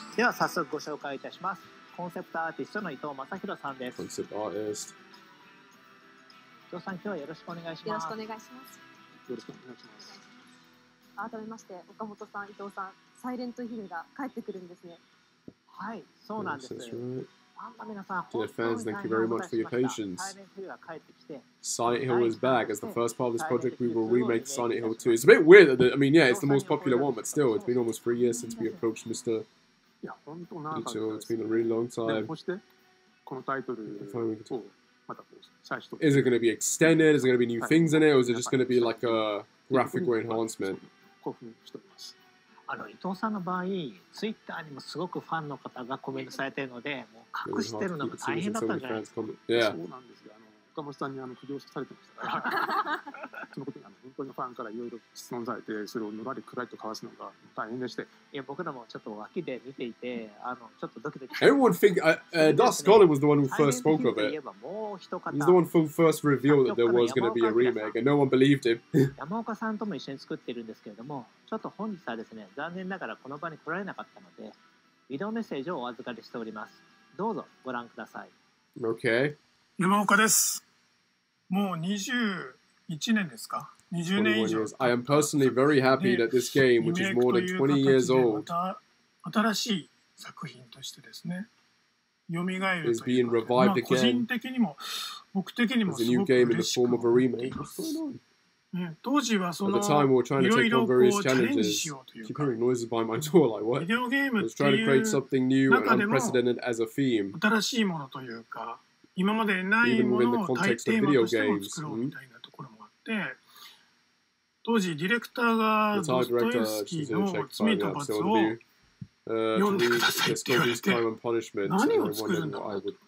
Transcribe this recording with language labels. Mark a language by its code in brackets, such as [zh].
[ja] では早速ご紹介いたします。コンセプトアーティストの伊藤正弘さんです。コンセプトアーティスト。伊藤さん、今日はよろしくお願いします。よろしくお願いします。よろしくお願いします。改めまして、岡本さん、伊藤さん、サイレントヒルが帰ってくるんですね。はい、そうなんです。 [en] Dear fans, thank you very much for your patience. Silent Hill is back. As the first part of this project, we will remake Silent Hill 2. It's a bit weird. That, I mean, yeah, it's the most popular one, but still, it's been almost 3 years since we approached Mr. Ito. It's been a really long time. Is it going to be extended? Is there going to be new things in it? Or is it just going to be like a graphical enhancement? [ja] あの伊藤さんの場合、ツイッターにもすごくファンの方がコメントされているので、もう隠してるのが大変だったんじゃないですか。そうなんですよ。岡本さんに苦情されてましたから、そのことに本当にファンからいろいろ質問されて、それをのらりくらりとかわすのが大変でして。いや、僕らもちょっと脇で見ていて、ちょっとドキドキ。 [en] Everyone think, Dust Golem was the one who first spoke of it. He's the one who first revealed that there was going to be a remake, and no one believed him. [ja] 山岡さんとも一緒に作っているんですけれども、ちょっと本日はですね、残念ながらこの場に来られなかったので、ビデオメッセージをお預かりしております。どうぞご覧ください。 [en] Okay. [ja] 山岡です。もう21年ですか ?20 年以上。 [en] I am personally very happy that this game, which is more than 20 years old, [ja] 新しい作品としてですね、蘇るという [en] か、is being revived again. [ja] 個人的にも、目的にもすごく嬉しく思っています。当時はその、いろいろこうチャレンジしようというか、ビデオゲームっていう中でも、新しいものというか、今までないものを大テーマとしても作ろうみたいなところもあって、当時ディレクターがドストエフスキーの罪と罰を読んでくださいって言われて、何を作るんだろうと。